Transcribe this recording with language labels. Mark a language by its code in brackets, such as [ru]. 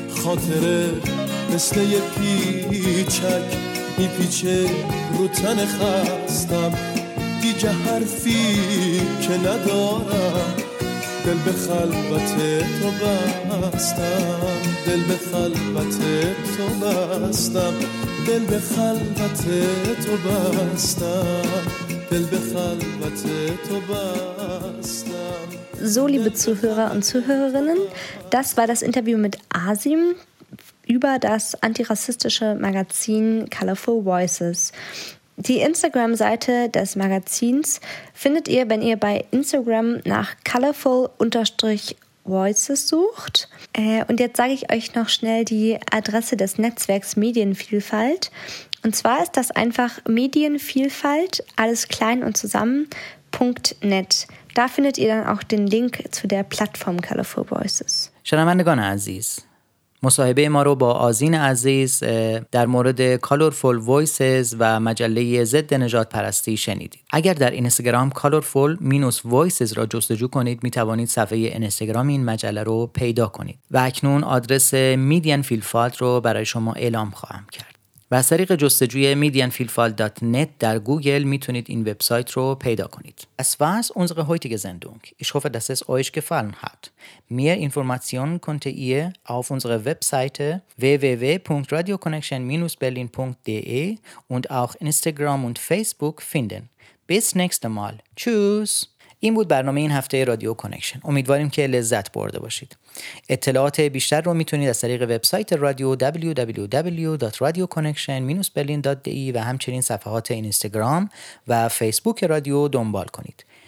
[fa] خاطره مثل یه پیچک میپیچه رو تن خستم، دیگه حرفی که ندارم، دل به خلوت تو بستم، دل به خلوت تو بستم، دل به خلوت تو بستم، دل به خلوت تو بستم. [de] So, liebe Zuhörer und Zuhörerinnen, das war das Interview mit Azim über das antirassistische Magazin Colorful Voices. Die Instagram-Seite des Magazins findet ihr, wenn ihr bei Instagram nach colorful-voices sucht. Und jetzt sage ich euch noch schnell die Adresse des Netzwerks Medienvielfalt. Und zwar ist das einfach Medienvielfalt, alles klein und zusammen.net. Da findet ihr dann auch den Link zu der Plattform Colorful Voices. Schönen Aziz. [fa] مصاحبه ما رو با آذین عزیز در مورد Colorful Voices و مجله ضد نژاد پرستی شنیدید. اگر در اینستاگرام Colorful-Voices را جستجو کنید، می توانید صفحه اینستاگرام این مجله رو پیدا کنید. و اکنون آدرس Median Filfalt رو برای شما اعلام خواهم کرد. و از طریق جستجوی medianvielfalt.net در گوگل میتونید این وبسایت رو پیدا کنید. [de] Es war unsere heutige Sendung. Ich hoffe, dass es euch gefallen hat. Mehr Informationen könnt ihr auf unserer Webseite www.radioconnection-berlin.de und auch Instagram und Facebook finden. Bis nächste Mal. Tschüss. [fa] این بود برنامه این هفته رادیو کانکشن. امیدواریم که لذت برده باشید. اطلاعات بیشتر رو میتونید از طریق وبسایت رادیو www.radioconnection-berlin.de و همچنین صفحات اینستاگرام و فیسبوک رادیو دنبال کنید.